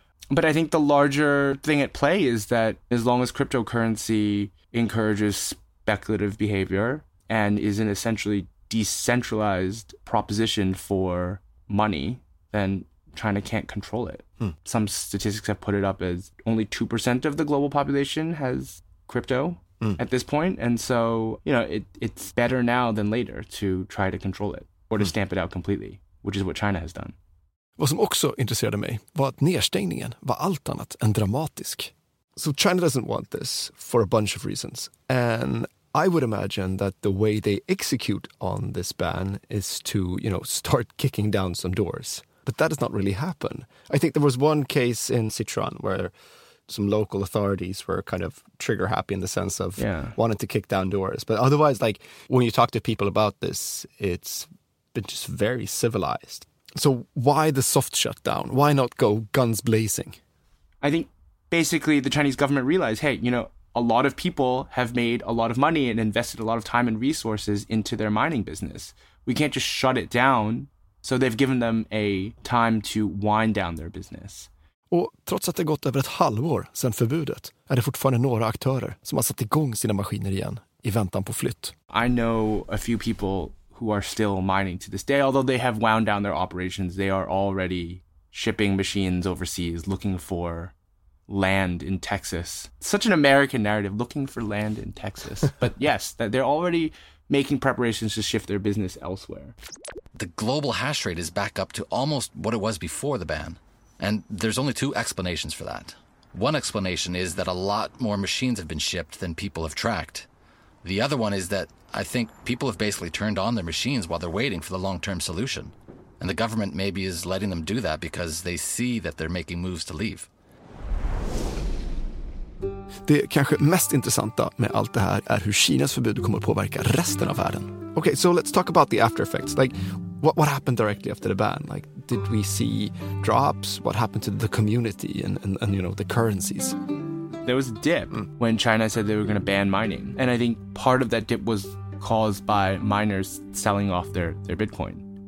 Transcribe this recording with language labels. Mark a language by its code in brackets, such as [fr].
[en] But I think the larger thing at play is that as long as cryptocurrency encourages speculative behavior and is an essentially decentralized proposition for money, then China can't control it. Some statistics have put it up as only 2% of the global population has crypto at this point. And so, you know, it's better now than later to try to control it or to stamp it out completely, which is what China has done. [sv] Vad som också intresserade mig var att nedstängningen var allt annat än dramatisk. [en] So China doesn't want this for a bunch of reasons. And I would imagine that the way they execute on this ban is to, you know, start kicking down some doors. But that does not really happen. I think there was one case in Sichuan where some local authorities were kind of trigger happy in the sense of wanting to kick down doors. But otherwise, like, when you talk to people about this, it's been just very civilized. So why the soft shutdown? Why not go guns blazing? I think basically the Chinese government realized, hey, you know, a lot of people have made a lot of money and invested a lot of time and resources into their mining business. We can't just shut it down. So they've given them a time to wind down their business. [sv] Och trots att det gått över ett halvår sedan förbudet är det fortfarande några aktörer som har satt igång sina maskiner igen i väntan på flytt. [en] I know a few people who are still mining to this day, although they have wound down their operations, they are already shipping machines overseas, looking for land in Texas. Such an American narrative, looking for land in Texas. But yes, that they're already making preparations to shift their business elsewhere. The global hash rate is back up to almost what it was before the ban. And there's only two explanations for that. One explanation is that a lot more machines have been shipped than people have tracked. The other one is that I think people have basically turned on their machines while they're waiting for the long-term solution. And the government maybe is letting them do that because they see that they're making moves to leave. [sv] Det kanske mest intressanta med allt det här är hur Kinas förbud kommer att påverka resten av världen. [en] Okay, so let's talk about the after effects. Like, what happened directly after the ban? Like, did we see drops? What happened to the community and you know, the currencies? There was a dip when China said they were going to ban mining. And I think part of that dip was caused by miners selling off their Bitcoin.